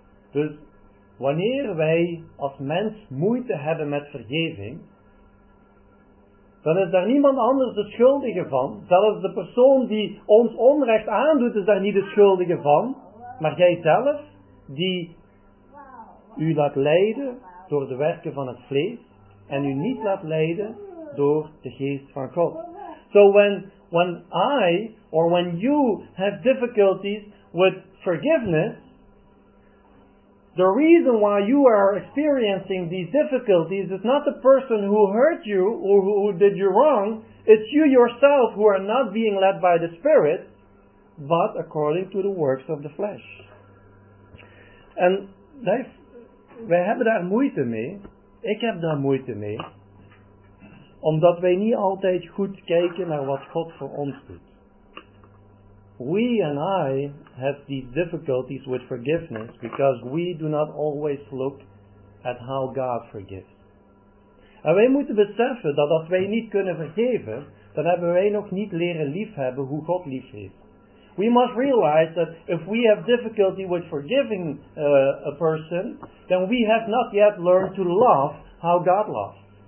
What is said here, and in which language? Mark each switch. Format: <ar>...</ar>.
<nl>Dus wanneer wij als mens moeite hebben met vergeving, dan is daar niemand anders de schuldige van. Zelfs de persoon die ons onrecht aandoet is daar niet de schuldige van. Maar jij zelf, die u laat leiden door de werken van het vlees en u niet laat leiden door de geest van God.</nl> <en>So when I or when you have difficulties with forgiveness, the reason why you are experiencing these difficulties is not the person who hurt you or who did you wrong. It's you yourself who are not being led by the Spirit, but according to the works of the flesh.</en> <nl>En wij hebben daar moeite mee. Ik heb daar moeite mee. Omdat wij niet altijd goed kijken naar wat God voor ons doet.</nl> <en>We and I have these difficulties with forgiveness because we do not always look at how God forgives.</en> <nl>En wij moeten beseffen dat als wij niet kunnen vergeven, dan hebben wij nog niet leren liefhebben hoe God lief heeft.</nl> <en>We must realize that if we have difficulty with forgiving a person, then we have not yet learned to love how God loves.</en>